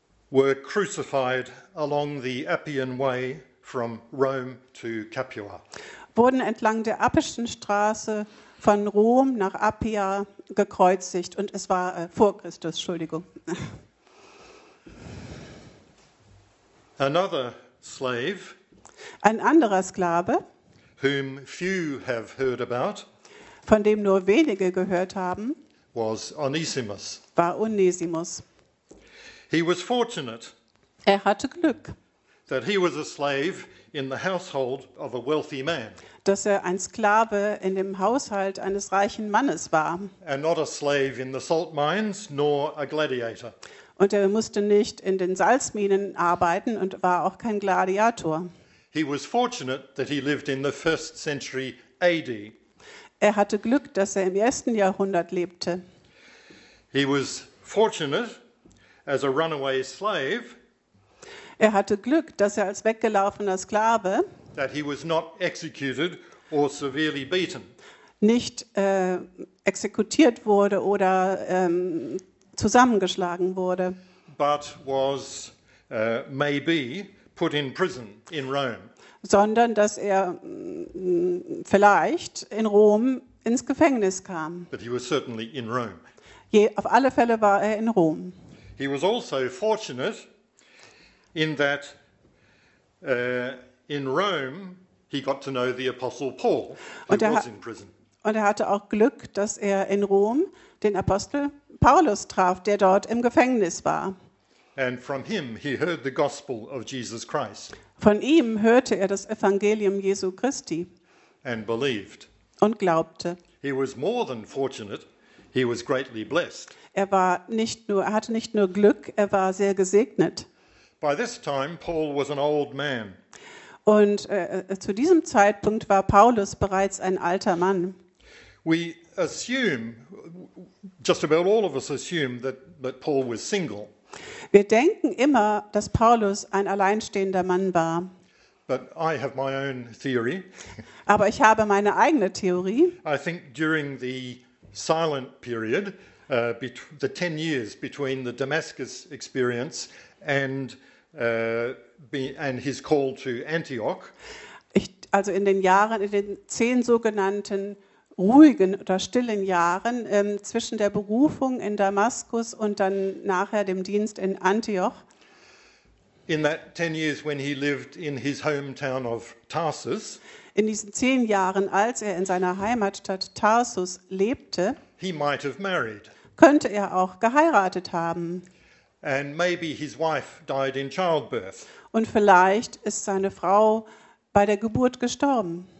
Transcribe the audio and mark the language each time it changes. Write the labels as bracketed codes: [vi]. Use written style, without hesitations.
[en] Were crucified along the Appian Way from Rome to Capua. [de] Wurden entlang der Appischen Straße von Rom nach Appia gekreuzigt und es war vor Christus, Entschuldigung. [en] Another slave. [de] Ein anderer Sklave. [en] Whom few have heard about. [de] Von dem nur wenige gehört haben. [en] Was Onesimus. [de] War Onesimus. [en] He was fortunate. [de] Er hatte Glück. [en] That he was a slave in the household of a wealthy man. [de] Dass er ein Sklave in dem Haushalt eines reichen Mannes war. [en] And not a slave in the salt mines nor a gladiator. [de] Und er musste nicht in den Salzminen arbeiten und war auch kein Gladiator. [en] He was fortunate that he lived in the first century AD. [de] Er hatte Glück, dass er im ersten Jahrhundert lebte. [en] He was fortunate as a runaway slave. [de] Er hatte Glück, dass er als weggelaufener Sklave, [en] that he was not executed or severely beaten, [de] nicht exekutiert wurde oder zusammengeschlagen wurde, [en] but was maybe put in prison in Rome, [de] sondern dass er vielleicht in Rom ins Gefängnis kam. [en] But he was certainly in Rome. [de] Auf alle Fälle war er in Rom. [en] He was also fortunate in that in Rome he got to know the Apostle Paul, who was in prison. [de] Und er hatte auch Glück, dass er in Rom den Apostel Paulus traf, der dort im Gefängnis war. [en] And from him he heard the gospel of Jesus Christ. [de] Von ihm hörte er das Evangelium Jesu Christi. [en] And believed. [de] Und glaubte. [en] He was more than fortunate, he was greatly blessed. [de] Er war nicht nur, er hatte nicht nur Glück, er war sehr gesegnet. [en] By this time Paul was an old man. [de] Und zu diesem Zeitpunkt war Paulus bereits ein alter Mann. [en] We assume, just about all of us assume that Paul was single. [de] Wir denken immer, dass Paulus ein alleinstehender Mann war. [en] But I have my own theory. [de] Aber ich habe meine eigene Theorie. [en] I think during the silent period, the 10 years between the Damascus experience and his call to Antioch. [de] Also in den Jahren, in den 10 sogenannten ruhigen oder stillen Jahren zwischen der Berufung in Damaskus und dann nachher dem Dienst in Antioch. [en] In that 10 years when he lived in his hometown of Tarsus. [de] In diesen 10 Jahren, als er in seiner Heimatstadt Tarsus lebte, [en] he might have married. [de] Könnte er auch geheiratet haben. [en] And maybe his wife died in childbirth. [de] Und vielleicht ist seine Frau bei der Geburt gestorben.